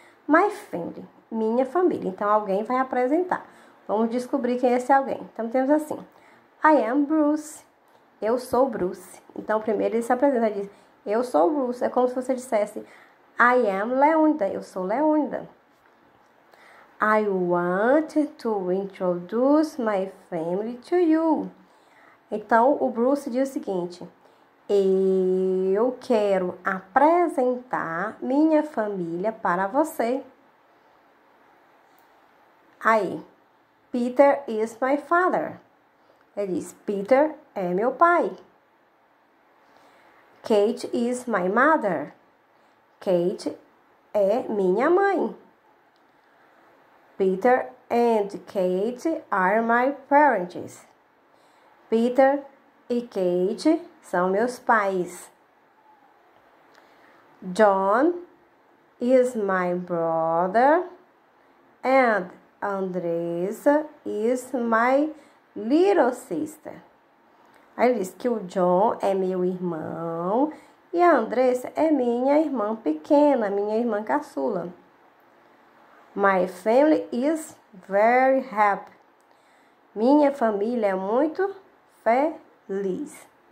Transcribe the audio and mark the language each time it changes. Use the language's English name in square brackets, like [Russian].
[English] My family, [Portuguese] minha família. Então, alguém vai apresentar. Vamos descobrir quem é esse alguém. Então, temos assim: [English] I am Bruce. [Portuguese] Eu sou Bruce. Então, primeiro ele se apresenta e diz: Eu sou Bruce. É como se você dissesse: [English] I am Leônida. [Portuguese] Eu sou Leônida. [English] I want to introduce my family to you. [Portuguese] Então, o Bruce diz o seguinte: Eu quero apresentar minha família para você. Aí, [English] Peter is my father. [Portuguese] Ele diz: Peter é meu pai. [English] Kate is my mother. [Portuguese] Kate é minha mãe. [English] Peter and Kate are my parents. [Portuguese] Peter e Kate são meus pais. [English] John is my brother and Andresa is my little sister. [Portuguese] Aí ele diz que o John é meu irmão e a Andresa é minha irmã pequena, minha irmã caçula. [English] My family is very happy. [Portuguese] Minha família é muito feliz.